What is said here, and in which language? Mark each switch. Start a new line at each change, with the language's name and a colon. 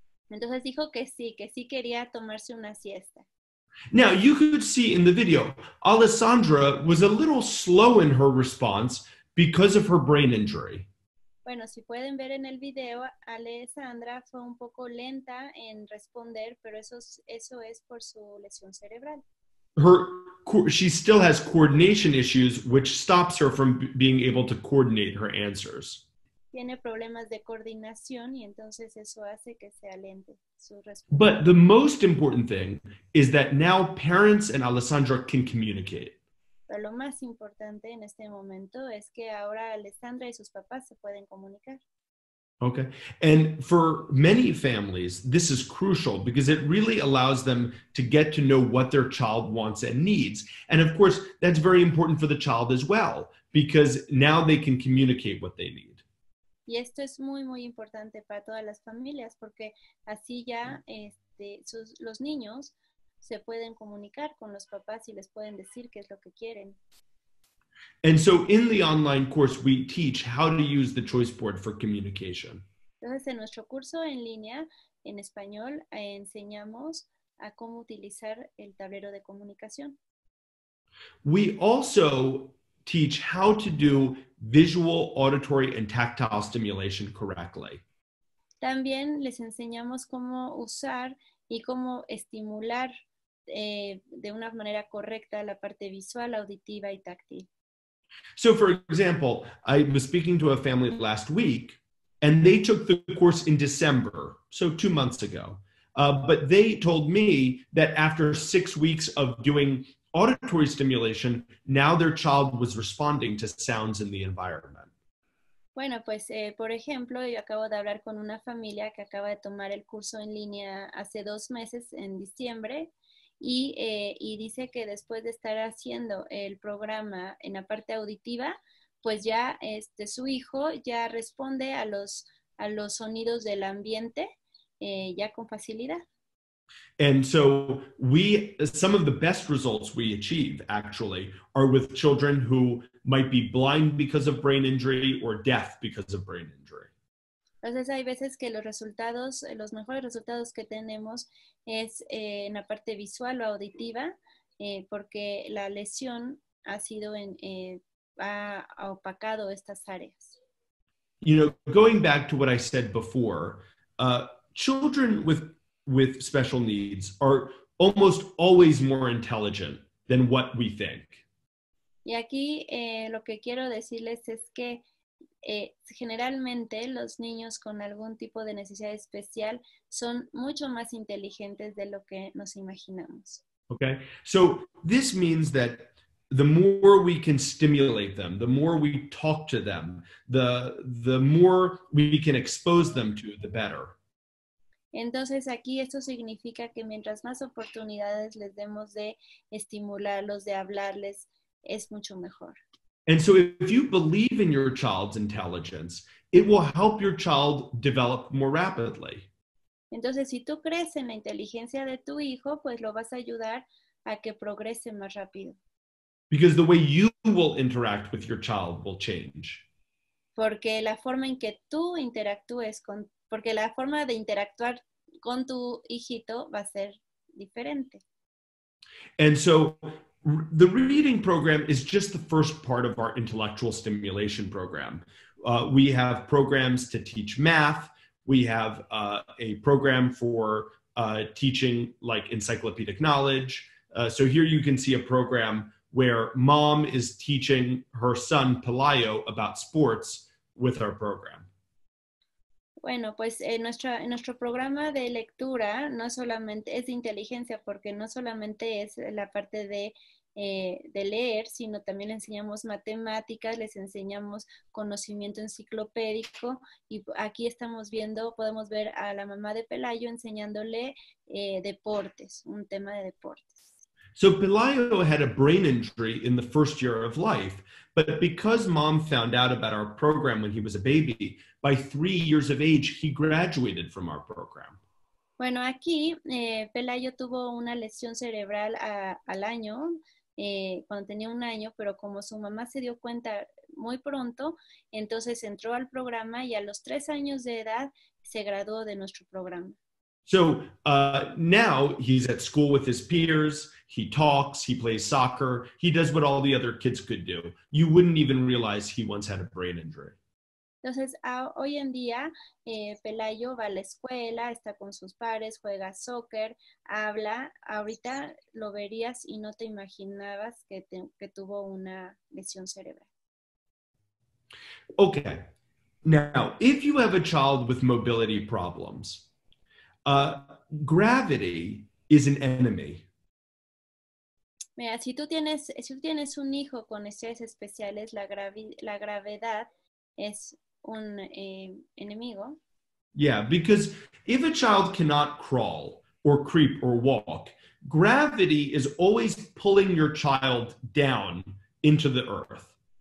Spanish: Entonces dijo que sí quería tomarse una siesta.
English: Now, you could see in the video, Alessandra was a little slow in her response because of her brain injury.
Spanish: Bueno, si pueden ver en el video, Alessandra fue un poco lenta en responder, pero eso es por su lesión cerebral.
English: She still has coordination issues, which stops her from being able to coordinate her answers.
Spanish: Tiene problemas de coordinación y entonces eso hace que sea lento su respuesta.
English: But the most important thing is that now parents and Alessandra can communicate.
Spanish: Pero lo más importante en este momento es que ahora Alessandra y sus papás se pueden comunicar.
English: Okay. And for many families, this is crucial because it really allows them to get to know what their child wants and needs. And of course, that's very important for the child as well, because now they can communicate what they need.
Spanish: Y esto es muy, muy importante para todas las familias, porque así ya los niños se pueden comunicar con los papás y les pueden decir qué es lo que quieren.
English: And so in the online course, we teach how to use the choice board for communication.
Spanish: Entonces, en nuestro curso en línea, en español, enseñamos a cómo utilizar el tablero de comunicación.
English: We also teach how to do visual, auditory, and tactile stimulation correctly.
Spanish: También les enseñamos cómo usar y cómo estimular de una manera correcta la parte visual, auditiva y táctil.
English: So, for example, I was speaking to a family last week, and they took the course in December, so 2 months ago. But they told me that after 6 weeks of doing auditory stimulation, now their child was responding to sounds in the environment.
Spanish: Bueno, pues, por ejemplo, yo acabo de hablar con una familia que acaba de tomar el curso en línea hace 2 meses, en diciembre. Y dice que después de estar haciendo el programa en la parte auditiva, pues ya su hijo ya responde a los sonidos del ambiente ya con facilidad.
English: And so some of the best results we achieve actually are with children who might be blind because of brain injury or deaf because of brain injury.
Spanish: Entonces hay veces que los mejores resultados que tenemos es en la parte visual o auditiva, porque la lesión ha sido ha opacado estas áreas.
English: You know, going back to what I said before, children with special needs are almost always more intelligent than what we think.
Spanish: Y aquí lo que quiero decirles es que generalmente los niños con algún tipo de necesidad especial son mucho más inteligentes de lo que nos imaginamos.
English: Okay, so this means that the more we can stimulate them, the more we talk to them, the more we can expose them to, the better.
Spanish: Entonces aquí esto significa que mientras más oportunidades les demos de estimularlos, de hablarles, es mucho mejor.
English: And so if you believe in your child's intelligence, it will help your child develop more rapidly.
Spanish: Entonces, si tú crees en la inteligencia de tu hijo, pues lo vas a ayudar a que progrese más rápido.
English: Because the way you will interact with your child will change.
Spanish: Porque la forma en que tú interactúes con, porque la forma de interactuar con tu hijito va a ser diferente.
English: And so the reading program is just the first part of our intellectual stimulation program. We have programs to teach math. We have a program for teaching like encyclopedic knowledge. So here you can see a program where mom is teaching her son Pelayo about sports with our program.
Spanish: Bueno, pues en nuestro programa de lectura no solamente es de inteligencia, porque no solamente es la parte de leer, sino también le enseñamos matemáticas, les enseñamos conocimiento enciclopédico, y aquí estamos viendo, podemos ver a la mamá de Pelayo enseñándole deportes, un tema de deportes.
English: So Pelayo had a brain injury in the first year of life, but because mom found out about our program when he was a baby, by 3 years of age, he graduated from our program.
Spanish: Bueno, aquí Pelayo tuvo una lesión cerebral al año, cuando tenía un año, pero como su mamá se dio cuenta muy pronto, entonces entró al programa y a los 3 años de edad se graduó de nuestro programa.
English: So now he's at school with his peers, he talks, he plays soccer, he does what all the other kids could do. You wouldn't even realize he once had a brain injury.
Spanish: Entonces, hoy en día, Pelayo va a la escuela, está con sus pares, juega soccer, habla. Ahorita lo verías y no te imaginabas que tuvo una lesión cerebral.
English: Okay. Now, if you have a child with mobility problems, gravity is an enemy.
Spanish: Mira, si tú tienes un hijo con necesidades especiales, la gravedad es un enemigo.
English: Yeah, because if a child cannot crawl or creep or walk, gravity is always pulling your child down into the earth.